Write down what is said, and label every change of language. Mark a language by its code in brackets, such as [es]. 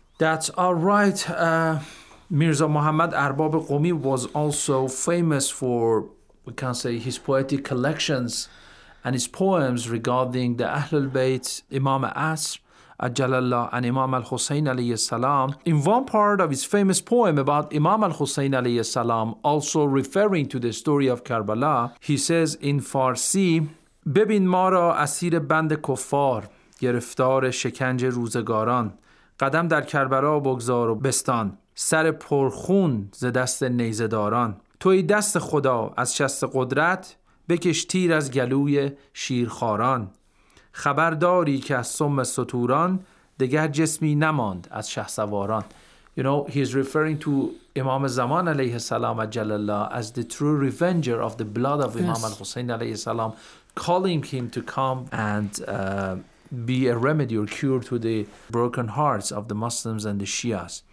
[en] That's all right. Mirza Muhammad Arbab Qumi was also famous for, we can say, his poetic collections and his poems regarding the Ahlul Bayt, Imam Asr, Ajalallah, and Imam al-Husayn alayhi salam. In one part of his famous poem about Imam al-Husayn alayhi salam, also referring to the story of Karbala, he says in Farsi, [fa] ببین ما را اسیر بند کفار گرفتار شکنج روزگاران قدم در کربلا بگذار و بستان سر پرخون ز دست نیزداران توی دست خدا از شست قدرت بکش تیر از گلوی شیرخاران خبرداری که از سم ستوران دگر جسمی نماند از شهسواران. [en] You know, he is referring to Imam Zaman alayhi salam ajalallah as the true revenger of the blood of Imam, yes, al-Husayn alayhi salam, calling him to come and be a remedy or cure to the broken hearts of the Muslims and the Shias.